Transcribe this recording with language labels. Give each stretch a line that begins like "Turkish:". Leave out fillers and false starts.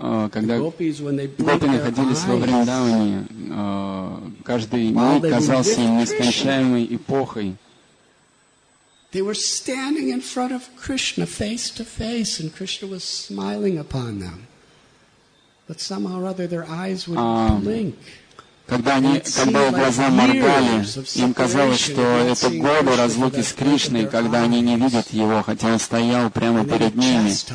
Russian: Когда гопи находились во Вриндаване, каждый миг казался им нескончаемой эпохой.
English: They were standing in front of Krishna, face to face, and Krishna was smiling upon them. But somehow or other, their eyes would blink.
Russian: Когда глаза моргали, им казалось, что это годы разлуки с Кришной, когда они не видят Его, хотя Он стоял прямо перед ними.